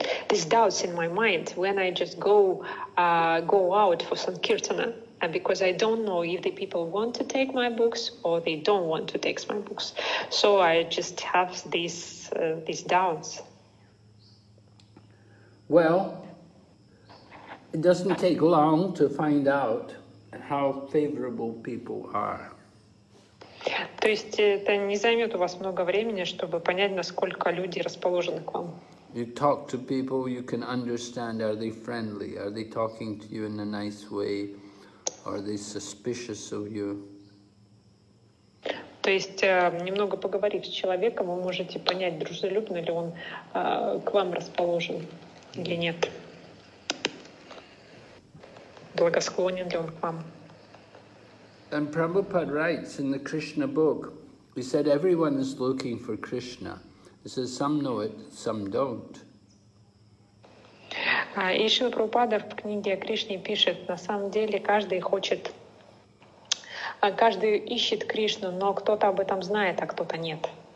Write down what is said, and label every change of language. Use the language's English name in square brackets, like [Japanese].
[English] These doubts in my mind when I just go out for Sankirtana, and because I don't know if the people want to take my books or they don't want to take my books, so I just have these doubts. Well, it doesn't take long to find out how favorable people are. [Russian] То есть это не займет у вас много времени, чтобы понять, насколько люди расположены к вам. [English] You talk to people, you can understand, are they friendly? Are they talking to you in a nice way? Are they suspicious of you? [Russian] То есть немного поговорив с человеком, вы можете понять, дружелюбно ли он к вам расположен или нет. Благосклонен ли он к вам? [English] And Prabhupada writes in the Krishna book, he said, everyone is looking for Krishna. He says, some know it, some don't. [Russian] И Шрила Прабхупада в книге о Кришне пишет, на самом деле каждый ищет Кришну, но кто-то об этом знает, а кто-то нет.